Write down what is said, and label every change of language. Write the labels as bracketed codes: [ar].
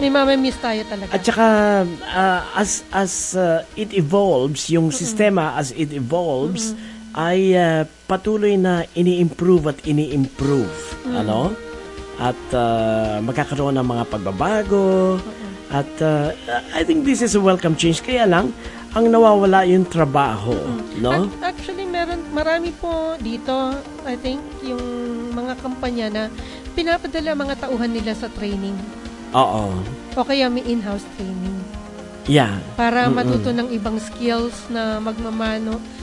[tl] May miss tayo talaga. At saka, [en] as it evolves, [tl] yung sistema as it evolves, ay patuloy na ini-improve at ini-improve. Mm-hmm. Ano? At magkakaroon ng mga pagbabago. Uh-huh. At [en] I think this is a welcome change. [tl] Kaya lang, ang nawawala yung trabaho, no? Actually, meron, marami po dito, [en] I think, [tl] yung mga kampanya na pinapadala mga tauhan nila sa training. Oo. O kaya may in-house training. [en] Yeah. [tl] Para matuto ng ibang skills na magmamano.